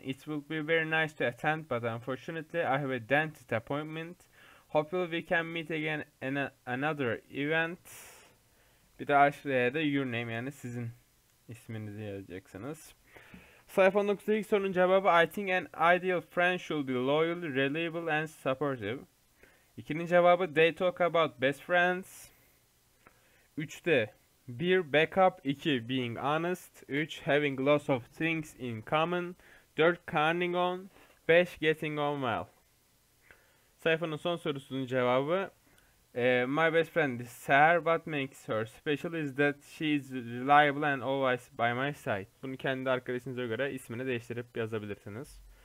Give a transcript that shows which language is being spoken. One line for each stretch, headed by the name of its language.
English: It will be very nice to attend, but unfortunately I have a dentist appointment. Hopefully we can meet again in another event.
Turkish: Bir de aşağıya da
English: your name,
Turkish: yani sizin isminizi yazacaksınız. Sayfa 19'da ilk sorunun cevabı
English: I think an ideal friend should be loyal, reliable and supportive.
Turkish: İkinin cevabı
English: they talk about best friends. 3'te 1 backup, 2 being honest, 3 having lots of things in common, 4 counting on, 5 getting on well.
Turkish: Sayfanın son sorusunun cevabı
English: my best friend is Sarah. What makes her special is that she is reliable and always by my side.
Turkish: Bunu kendi arkadaşınıza göre ismini değiştirip yazabilirsiniz.